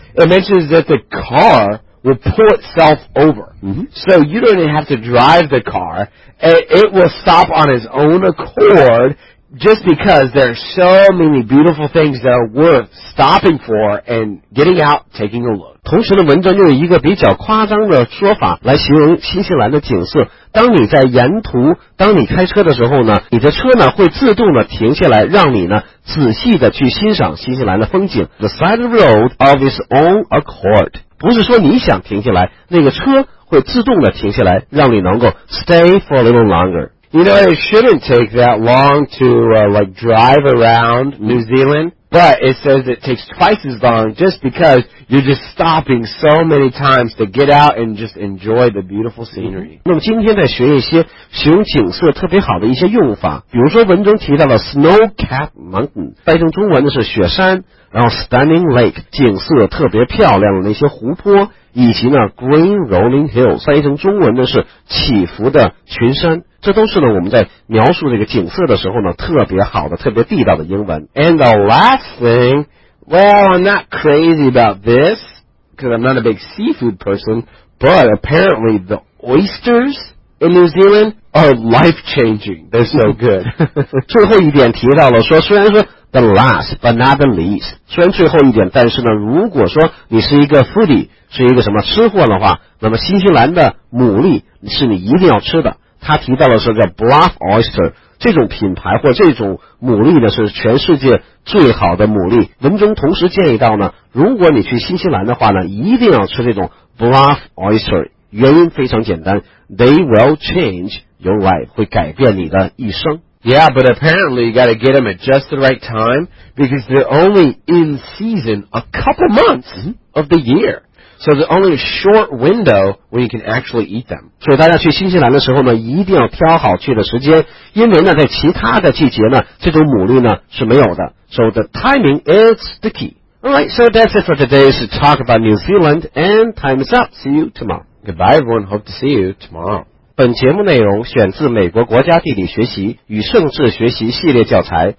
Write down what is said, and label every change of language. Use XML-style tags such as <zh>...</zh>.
<en>It mentions that the car will pull itself over. So you don't even have to drive the car. It will stop on its own accord. Just because there are so many beautiful things that are worth stopping for and getting out, taking a look.</en> <zh>同时呢，文章用一个比较夸张的说法来形容新西兰的景色。当你在沿途，当你开车的时候呢，你的车呢会自动的停下来，让你呢仔细的去欣赏新西兰的风景。</zh> <en>The side road of its own accord.</en> <zh>不是说你想停下来，那个车会自动的停下来，让你能够</zh> <en>stay for a little longer. You know, it shouldn't take that long to, like, drive around New Zealand, but it says it takes twice as long just because you're just stopping so many times to get out and just enjoy the beautiful scenery.</en> <zh>那么今天在学一些形容景色特别好的一些用法，比如说文中提到了</zh> <en>snow-capped mountain,</en> <zh>翻译成中文的是雪山，然后</zh> <en>stunning lake,</en> <zh>景色特别漂亮的那些湖泊，以及呢</zh> <en>green rolling hills,</en> <zh>翻译成中文的是起伏的群山。这都是呢我们在描述这个景色的时候呢特别好的特别地道的英文。</zh> <en>And the last thing, well, I'm not crazy about this because I'm not a big seafood person, but apparently the oysters in New Zealand are life changing. They're so good.</en> <zh>最后一点提到了说，虽然说</zh> <en>the last but not the least,</en> <zh>虽然最后一点，但是呢如果说你是一个 foodie, 是一个什么吃货的话，那么新西兰的牡蛎是你一定要吃的。他提到的是个 Bluff Oyster 这种品牌或这种牡蛎呢，是全世界最好的牡蛎。文中同时建议到呢，如果你去新西兰的话呢，一定要吃这种 Bluff Oyster， 原因非常简单，</zh> <en>They will change your life，</en> <zh>会改变你的一生。</zh> <en>Yeah, but apparently you gotta get them at just the right time because they're only in season a couple months of the yearSo there's only a short window when you can actually eat them.</en> <zh>所以大家去新西兰的时候呢，一定要挑好去的时间，因为呢，在其他的季节呢，这种牡蛎呢是没有的。</zh> <en>So the timing is the key. All right, so that's it for today's talk about New Zealand, and time is up. See you tomorrow. Goodbye, everyone. Hope to see you tomorrow.</en> <zh>本节目内容选自美国国家地理学习与盛世学习系列教材。</zh>